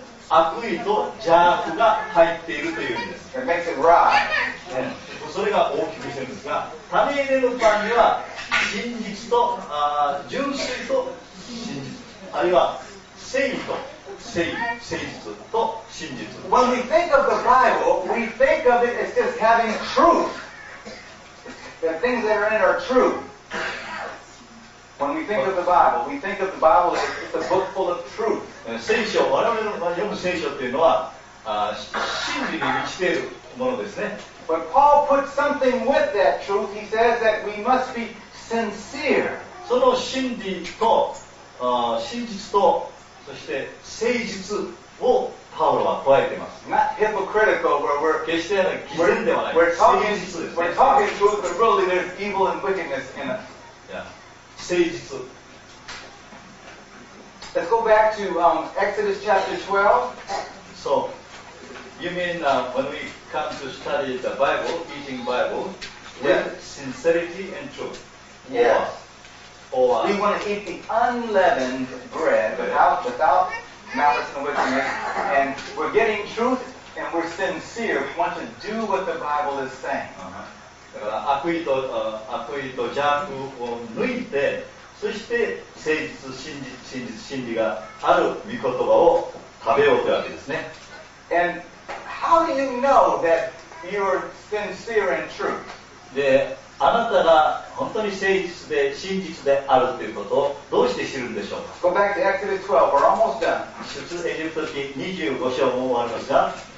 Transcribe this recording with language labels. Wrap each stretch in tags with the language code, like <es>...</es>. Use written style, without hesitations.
<ja>悪意と邪悪が入っているというんです。</ja> <en>It makes it rot.</en> <ja>それが大きくしてるんですが、種入れのパンには真実と純粋と真実、あるいは正義と誠実と真実。</ja> <en>When we think of the Bible, we think of it as just having truth. The things that are in it are true. When we think of the Bible, we think of the Bible as a book full of truth.</en> <ja>聖書、我々の読む聖書というのは真理に満ちているものですね。</ja> <en>But Paul put something with that truth. He says that we must be sincere.</en> <ja>その真理と真実とそして誠実をパウロは加えています。</ja> <en>Not hypocritical, where we're</en> <ja>決して偽善ではない。誠実です、ね。</ja> <en>We're talking truth, but really there's evil and wickedness in us.</en> <ja>Yeah. 誠実。</ja> <en>Let's go back to Exodus chapter 12. So, you mean when we come to study the Bible, reading Bible, with yes. sincerity and truth? Yes. We want to eat the unleavened bread without malice and wickedness. And we're getting truth and we're sincere. We want to do what the Bible is saying. And how do you know that you're sincere and true?</en> <ja>あなたが本当に誠実で真実であるということをどうして知るんでしょうか。</ja> <en>Go back to Exodus 12. We're almost done.</en> <ja>出エジプト記25章も終わりますが。</ja>